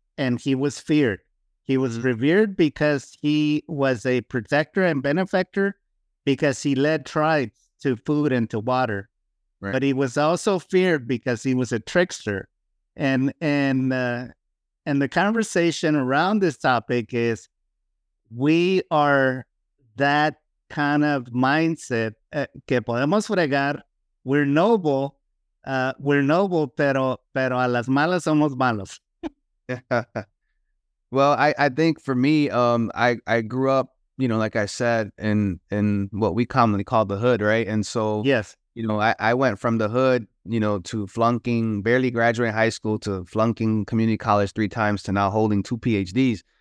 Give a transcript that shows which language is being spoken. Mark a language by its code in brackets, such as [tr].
[en] And he was feared. He was revered because he was a protector and benefactor, because he led tribes to food and to water. Right. But he was also feared because he was a trickster. And the conversation around this topic is, we are that kind of mindset. [es] Que podemos fregar. [en] We're noble. We're noble, [es] pero a las malas somos malos. [en] Well, I think for me, I grew up, you know, like I said, in what we commonly call the hood, right? And so, yes, you know, I went from the hood, you know, to flunking, barely graduating high school, to flunking community college three times, to now holding two PhDs.